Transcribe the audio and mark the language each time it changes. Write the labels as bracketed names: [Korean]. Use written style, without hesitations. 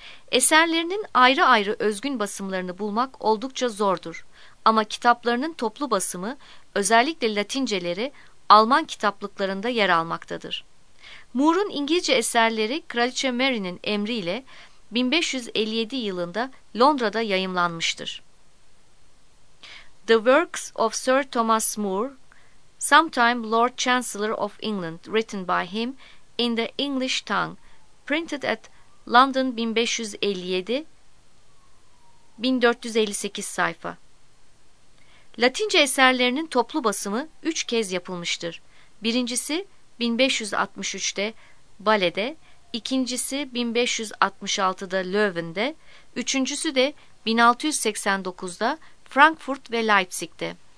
[Turkish] Eserlerinin ayrı ayrı özgün basımlarını bulmak oldukça zordur. Ama kitaplarının toplu basımı, özellikle Latinceleri, Alman kitaplıklarında yer almaktadır. More'un İngilizce eserleri Kraliçe Mary'nin emriyle 1557 yılında Londra'da yayımlanmıştır. [English] The Works of Sir Thomas More, Sometime Lord Chancellor of England, written by him in the English tongue, printed at London 1557, [Turkish] 1458 sayfa. Latince eserlerinin toplu basımı 3 kez yapılmıştır. Birincisi 1563'te Bale'de, ikincisi 1566'da Löwen'de, üçüncüsü de 1689'da Frankfurt ve Leipzig'te.